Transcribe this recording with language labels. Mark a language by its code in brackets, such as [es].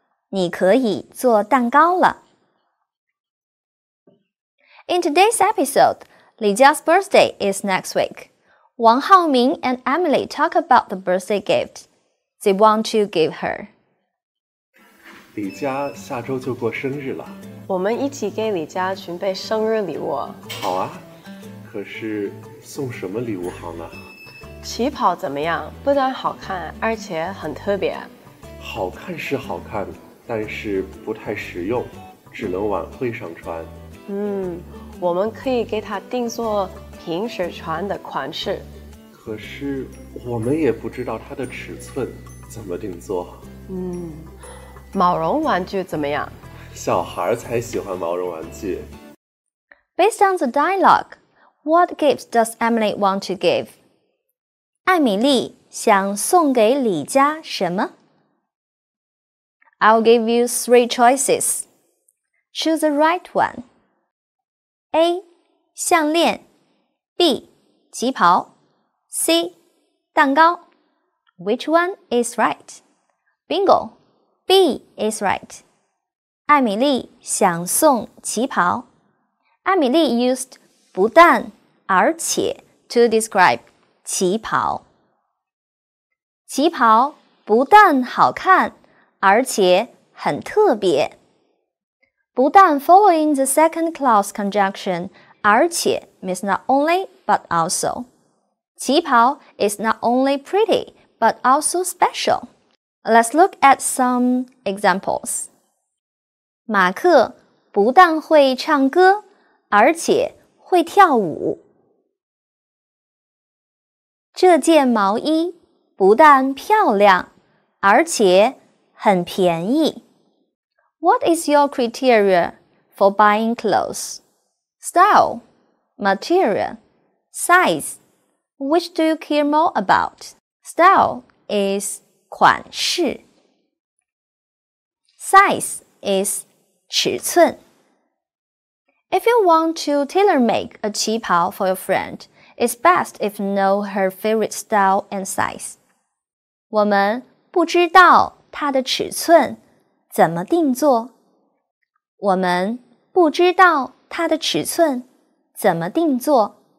[zh] 你可以做蛋糕了。 [en] In today's episode, Li Jia's birthday is next week. Wang Haoming and Emily talk about the birthday gift they want to give her. [zh] 李佳下周就过生日了。我们一起给李佳准备生日礼物。好啊，可是送什么礼物好呢？旗袍怎么样？不但好看，而且很特别。好看是好看，但是不太实用，只能晚会上穿。嗯，我们可以给他定做平时穿的款式。可是我们也不知道它的尺寸，怎么定做？嗯，毛绒玩具怎么样？小孩才喜欢毛绒玩具。 [en] Based on the dialogue, what gifts does Emily want to give? [zh] 艾米丽想送给李佳什么？ [en] I'll give you three choices. Choose the right one. A. [zh] 项链 B. 旗袍 C. [en] 蛋糕 Which one is right? Bingo! B is right. [zh] 艾米丽想送旗袍。 [en] 艾米丽 used 不但而且 to describe 旗袍。 [zh] 旗袍不但好看而且很特别。 [en] 不但 following the second clause conjunction, 而且 means not only, but also. 旗袍 is not only pretty, but also special. Let's look at some examples. [zh] 马克不但会唱歌而且会跳舞。这件毛衣不但漂亮而且很便宜。 [en] What is your criteria for buying clothes? Style, material, size. Which do you care more about? Style is 款式。 Size is 尺寸。 If you want to tailor-make a 旗袍 for your friend, it's best if you know her favorite style and size. [zh] 我们不知道它的尺寸怎么定做？我们不知道它的尺寸怎么定做。